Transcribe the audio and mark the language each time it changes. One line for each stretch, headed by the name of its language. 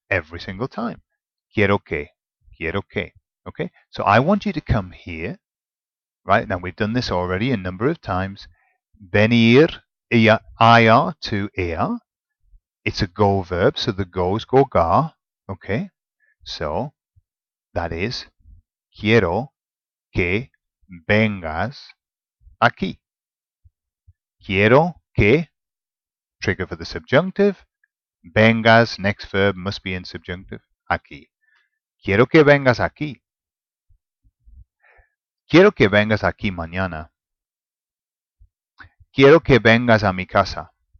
English: Every single time.
Spanish: Quiero que. Quiero que.
English: Okay? So I want you to come here. Right? Now we've done this already a number of times.
Spanish: Venir, ir to ir.
English: It's a go verb, so the go is gogar. Okay? So that is
Spanish: quiero que vengas aquí. Quiero que,
English: trigger for the subjunctive. Vengas, next verb, must be in subjunctive.
Spanish: Aquí. Quiero que vengas aquí. Quiero que vengas aquí mañana. Quiero que vengas a mi casa.